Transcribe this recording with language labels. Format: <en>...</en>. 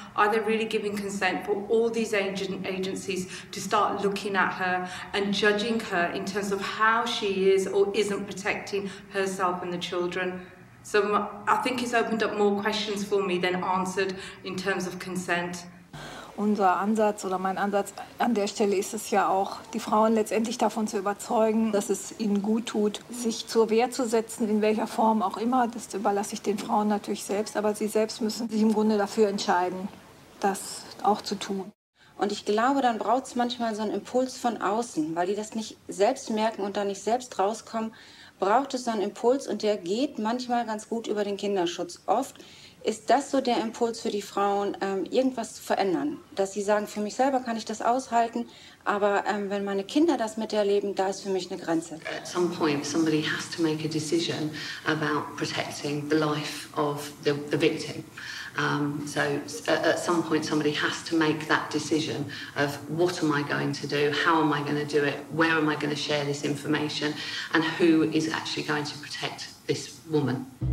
<en>Are they really giving consent for all these agencies to start looking at her and judging her in terms of how she is or isn't protecting herself and the children? So I think it's opened up more questions for me than answered in terms of consent.</en> <de>Unser Ansatz oder mein Ansatz an der Stelle ist es ja auch, die Frauen letztendlich davon zu überzeugen, dass es ihnen gut tut, sich zur Wehr zu setzen, in welcher Form auch immer. Das überlasse ich den Frauen natürlich selbst, aber sie selbst müssen sich im Grunde dafür entscheiden, das auch zu tun. Und ich glaube, dann braucht es manchmal so einen Impuls von außen, weil die das nicht selbst merken und da nicht selbst rauskommen, braucht es so einen Impuls und der geht manchmal ganz gut über den Kinderschutz. Oft Ist das so der Impuls für die Frauen, irgendwas zu verändern? Dass sie sagen, für mich selber kann ich das aushalten, aber wenn meine Kinder das miterleben, da ist für mich eine Grenze.</de> <en>At some point somebody has to make a decision about protecting the life of the victim. So at some point somebody has to make that decision of what am I going to do, how am I going to do it, where am I going to share this information and who is actually going to protect this woman.</en>